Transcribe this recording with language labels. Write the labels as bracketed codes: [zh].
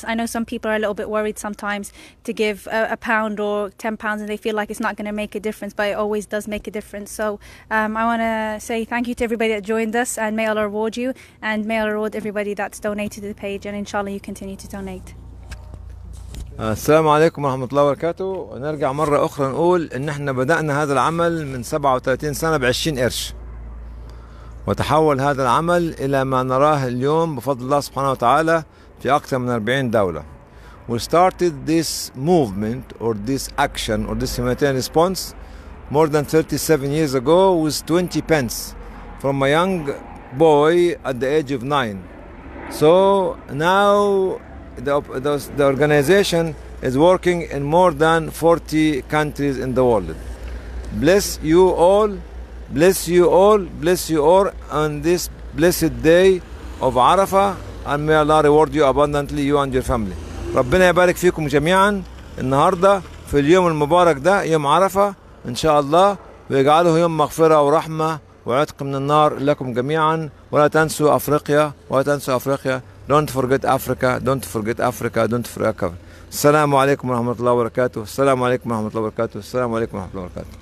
[en] I know some people are a little bit worried sometimes to give a pound or 10 pounds and they feel like it's not going to make a difference, but it always does make a difference. So I want to say thank you to everybody that joined us, and may Allah reward you, and may Allah reward everybody that's donated to the page, and inshallah you continue to donate. [ar] السلام عليكم ورحمة الله وبركاته. نرجع مرة أخرى نقول إن إحنا بدأنا هذا العمل من 37 سنة ب 20 قرش. وتحول هذا العمل إلى ما نراه اليوم بفضل الله سبحانه وتعالى في أكثر من 40 دولة. [en] We started this movement or this action or this humanitarian response more than 37 years ago with 20 pence from a young boy at the age of 9. So now the organization is working in more than 40 countries in the world. Bless you all. Bless you all on this blessed day of Arafah, and may Allah reward you abundantly, you and your family. [ar] ربنا يبارك فيكم جميعا النهاردة في اليوم المبارك ده يوم عرفة إن شاء الله, ويجعله يوم مغفرة ورحمة وعتق من النار لكم جميعا. ولا تنسوا أفريقيا, ولا تنسوا أفريقيا. [en] Don't forget Africa. Don't forget Africa. [ar] السلام عليكم ورحمة الله وبركاته. السلام عليكم ورحمة الله وبركاته. السلام عليكم ورحمة الله وبركاته.